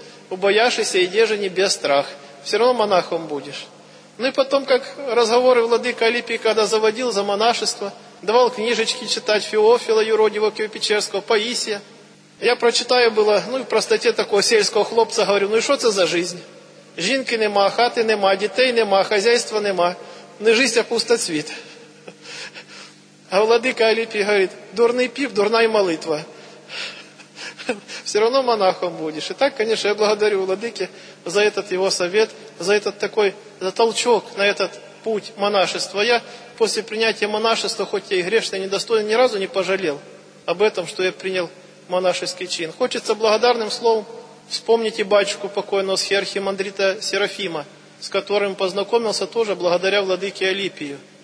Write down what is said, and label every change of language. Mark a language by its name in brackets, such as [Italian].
[Russian] Убояшися, иди же не без страх. Все равно монахом будешь. Ну и потом, как разговоры владыка Алипий, когда заводил за монашество, давал книжечки читать Феофила Юродива Киево-Печерского, Паисия. Я прочитаю было, ну и в простоте такого сельского хлопца, говорю, ну и что это за жизнь? [Ukrainian] Жінки нема, хати нема, дітей нема, хазяйства нема, не жизнь, а пустоцвіт. А владика Алипій говорить, дурний пів, дурна й молитва. [Russian] Все равно монахом будеш. [Ukrainian] І так, звісно, я благодарю владики [Russian] за этот його совет, за этот такой, за толчок на этот путь монашества. Я после принятия монашества, хоть я и грешный, недостойный, ни разу не пожалел об этом, что я принял монашеский чин. Хочется благодарным словом вспомните батюшку покойного архимандрита Серафима, с которым познакомился тоже благодаря владыке Алипию.